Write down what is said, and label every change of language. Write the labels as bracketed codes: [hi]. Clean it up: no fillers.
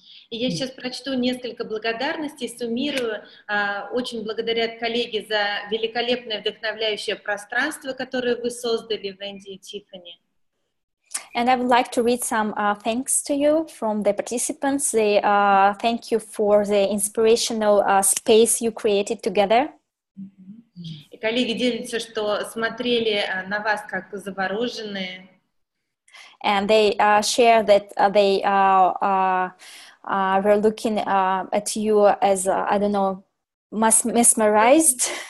[ru] И я сейчас прочту несколько благодарностей, суммирую. Очень благодарят коллеги за великолепное вдохновляющее пространство, которое вы создали, Венди и Тиффани. [en] And I would like to read some thanks to you from the participants. They thank you for the inspirational space you created together. [ru] И коллеги делятся, что смотрели на вас как завороженные. [en] And they share that they were looking at you as I don't know, mesmerized.